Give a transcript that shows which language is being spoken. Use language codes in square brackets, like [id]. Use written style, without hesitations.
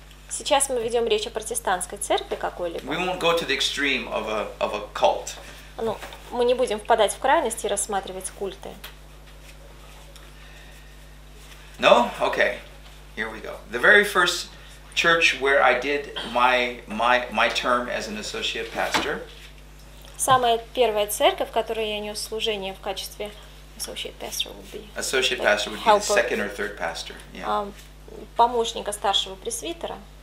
[ru] Сейчас мы ведем речь о протестантской церкви какой-либо. [en] We won't go to the extreme of a cult. [ru] Ну, мы не будем впадать в крайности и рассматривать культы. [en] No? Okay. Here we go. The very first church where I did my term as an associate pastor. [ru] Самая первая церковь, в которой я нес служение в качестве [en] associate pastor would be. Associate pastor would be the second or third pastor. Yeah. [ru] Помощника старшего пресвитера.